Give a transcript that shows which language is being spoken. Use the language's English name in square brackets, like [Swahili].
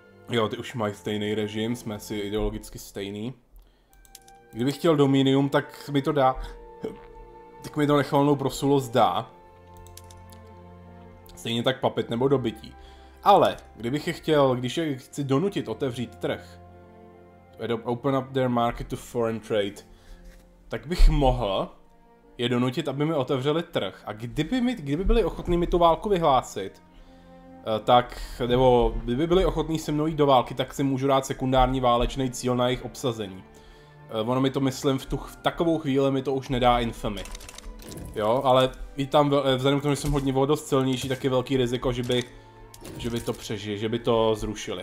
[Czech] Jo, ty už mají stejný režim, jsme si ideologicky stejný. Kdybych chtěl Dominium, tak mi to dá. Tak mi to nechvalnou prosulost dá. Stejně tak papit nebo dobytí. Ale, kdybych je chtěl, když je chci donutit otevřít trh. [English] Open up their market to foreign trade. [Czech] Tak bych mohl je donutit, aby mi otevřeli trh. A kdyby byli ochotní mi tu válku vyhlásit, tak, nebo kdyby byli ochotní se mnou jít do války, tak si můžu dát sekundární válečný cíl na jejich obsazení. Ono mi to, myslím, v takovou chvíli mi to už nedá infamy. Jo, ale i tam, vzhledem k tomu, že jsem hodně dost silnější, tak je velký riziko, že by to přežili, že by to zrušili.